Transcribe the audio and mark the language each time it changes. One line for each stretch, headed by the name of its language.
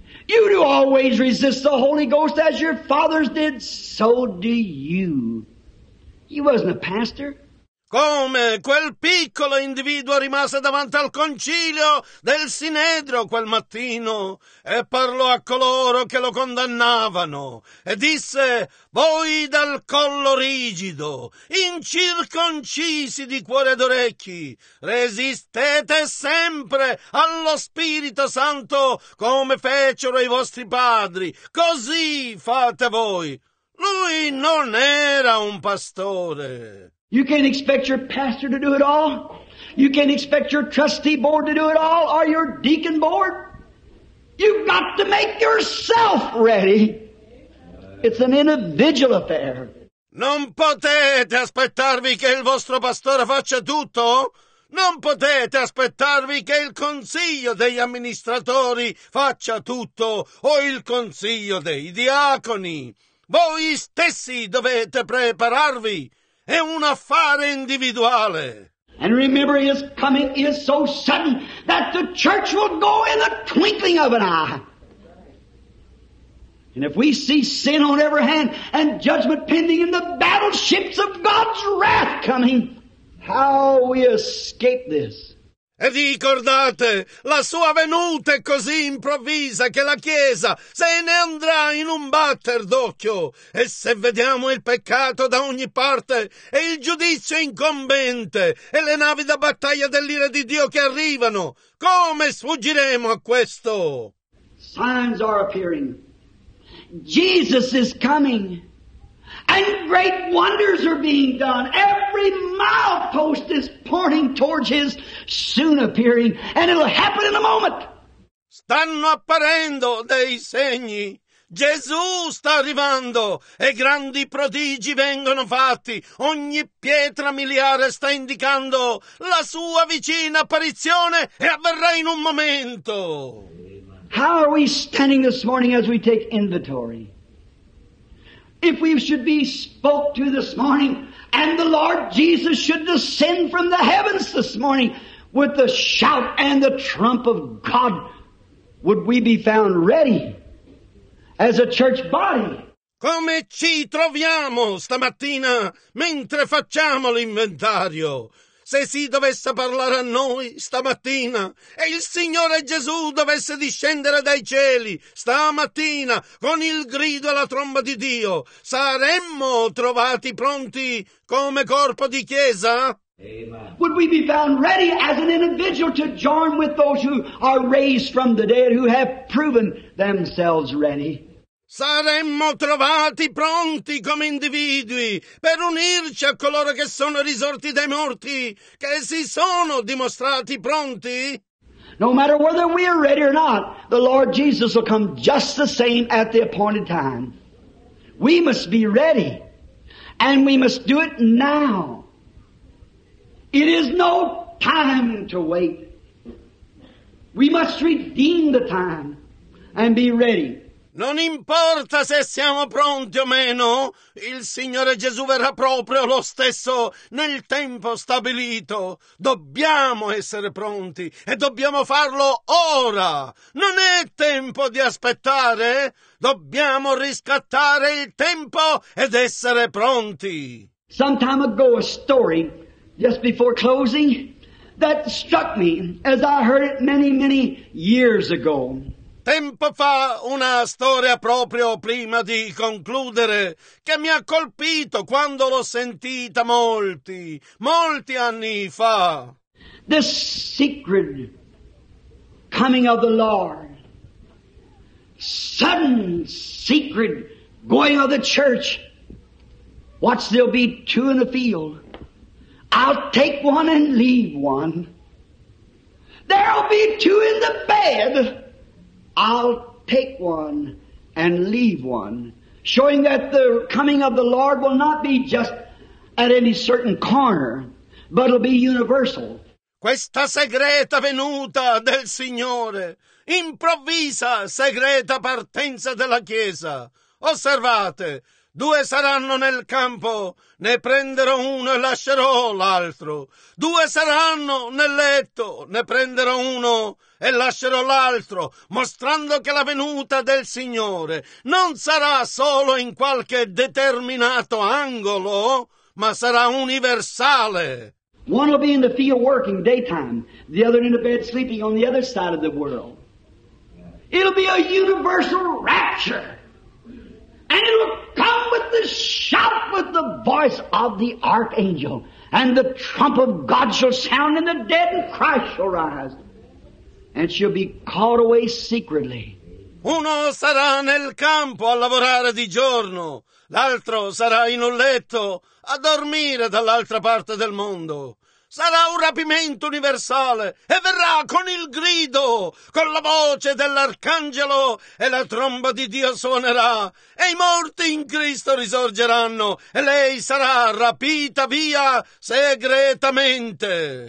English: You do always resist the Holy Ghost as your fathers did, so do you." He wasn't a pastor.
Italian: Come quel piccolo individuo rimase davanti al concilio del Sinedrio quel mattino e parlò a coloro che lo condannavano e disse: "Voi dal collo rigido, incirconcisi di cuore ed orecchi, resistete sempre allo Spirito Santo come fecero i vostri padri, così fate voi." Lui non era un pastore.
English: You can't expect your pastor to do it all. You can't expect your trustee board to do it all or your deacon board. You've got to make yourself ready. It's an individual affair.
Italian: Non potete aspettarvi che il vostro pastore faccia tutto. Non potete aspettarvi che il consiglio degli amministratori faccia tutto o il consiglio dei diaconi. Voi stessi dovete prepararvi. È un affare individuale.
English: And remember, his coming is so sudden that the church will go in the twinkling of an eye. And if we see sin on every hand and judgment pending in the battleships of God's wrath coming, how we escape this.
Italian: E ricordate, la sua venuta è così improvvisa che la Chiesa se ne andrà in un batter d'occhio. E se vediamo il peccato da ogni parte e il giudizio incombente e le navi da battaglia dell'ira di Dio che arrivano, come sfuggiremo a questo?
English: Signs are appearing. Jesus is coming. And great wonders are being done. Every milepost is pointing towards his soon appearing, and it'll happen in a moment.
Italian: Stanno apparendo dei segni. Gesù sta arrivando e grandi prodigi vengono fatti. Ogni pietra miliare sta indicando la sua vicina apparizione e avverrà in un momento.
English: How are we standing this morning as we take inventory? If we should be spoke to this morning and the Lord Jesus should descend from the heavens this morning with the shout and the trump of God, would we be found ready as a church body?
Italian: Come ci troviamo stamattina mentre facciamo l'inventario? Se si dovesse parlare a noi stamattina e il Signore Gesù dovesse discendere dai cieli stamattina con il grido e la tromba di Dio, saremmo trovati pronti come corpo di chiesa?
English: Amen. Would we be found ready as an individual to join with those who are raised from the dead, who have proven themselves ready?
Italian: Saremmo trovati pronti come individui per unirci a coloro che sono risorti dai morti, che si sono dimostrati pronti?
English: No matter whether we are ready or not, the Lord Jesus will come just the same at the appointed time. We must be ready, and we must do it now. It is no time to wait. We must redeem the time and be ready.
Italian: Non importa se siamo pronti o meno, il Signore Gesù verrà proprio lo stesso nel tempo stabilito. Dobbiamo essere pronti e dobbiamo farlo ora. Non è tempo di aspettare. Dobbiamo riscattare il tempo ed essere pronti.
English: Some time ago a story, just before closing, that struck me as I heard it many, many years ago.
Italian: Tempo fa una storia proprio prima di concludere che mi ha colpito quando l'ho sentita molti, molti anni fa.
English: The secret coming of the Lord. Sudden secret going of the church. Watch, there'll be two in the field. I'll take one and leave one. There'll be two in the bed. I'll take one and leave one. Showing that the coming of the Lord will not be just at any certain corner, but it'll be universal.
Italian: Questa segreta venuta del Signore, improvvisa segreta partenza della Chiesa. Osservate, due saranno nel campo, ne prenderò uno e lascerò l'altro. Due saranno nel letto, ne prenderò uno e lascerò l'altro, mostrando che la venuta del Signore non sarà solo in qualche determinato angolo, ma sarà universale.
English: One will be in the field working daytime, the other in the bed sleeping on the other side of the world. It'll be a universal rapture. And it will come with the shout, with the voice of the archangel. And the trump of God shall sound, and the dead in Christ shall rise. And shall be caught away secretly.
Italian: Uno sarà nel campo a lavorare di giorno. L'altro sarà in un letto a dormire dall'altra parte del mondo. Sarà un rapimento universale e verrà con il grido, con la voce dell'arcangelo e la tromba di Dio suonerà e i morti in Cristo risorgeranno e lei sarà rapita via segretamente.